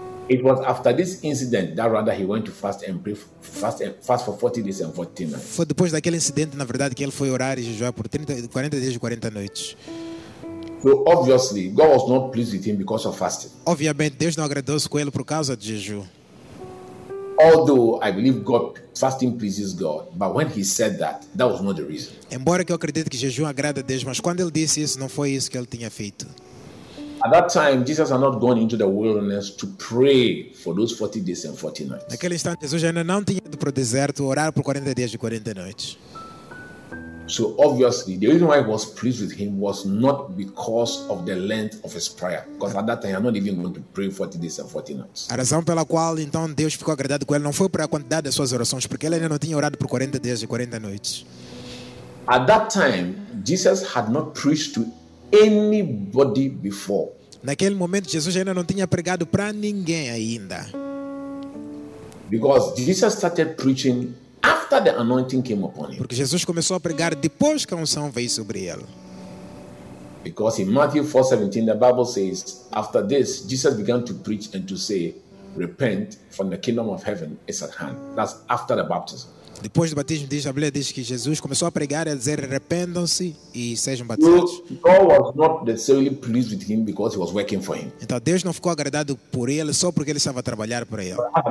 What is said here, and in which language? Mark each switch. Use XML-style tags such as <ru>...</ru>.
<en>It was after this incident that rather he went to fast and pray fast for 40 days and 40 nights.</en> <pt>Foi depois daquele incidente, na verdade, que ele foi orar e jejuar por 40 dias e 40 noites.</pt> <en>So obviously, God was not pleased with him because of fasting.</en> <pt>Obviamente, Deus não agradou-se com ele por causa do jejum.</pt> <en>Although I believe God fasting pleases God, but when he said that, that was not the reason.</en> <pt>Embora que eu acredite que jejum agrada a Deus, mas quando ele disse isso, não foi isso que ele tinha feito.</pt> <en>At that time, Jesus had not gone into the wilderness to pray for those 40 days and 40 nights.</en> <pt>Naquele instante, Jesus ainda não tinha ido para o deserto orar por 40 dias e 40 noites.</pt> <en>So obviously, the reason why he was pleased with him was not because of the length of his prayer. Because at that time, he had not even gone to pray 40 days and 40 nights.</en> <pt>A razão pela qual então Deus ficou agradado com ele não foi para a quantidade das suas orações, porque ele ainda não tinha orado por 40 dias e 40 noites.</pt> <en>At that time, Jesus had not preached to anybody before.</en> <pt>Naquele momento, Jesus ainda não tinha pregado para ninguém ainda.</pt> <en>Because Jesus started preaching after the anointing came upon him.</en> <pt>Porque Jesus começou a pregar depois que a unção veio sobre ele.</pt> <en>Because in Matthew 4:17 the Bible says, after this Jesus began to preach and to say, repent, for the kingdom of heaven is at hand. That's after the baptism.</en> <pt>Depois do batismo, diz a Bíblia, diz que Jesus começou a pregar e a dizer, arrependam-se e sejam batizados.</pt> <en>God was not necessarily pleased with him because he was working for him.</en> <pt>Então Deus não ficou agradado por ele só porque ele estava a trabalhar para ele.</pt>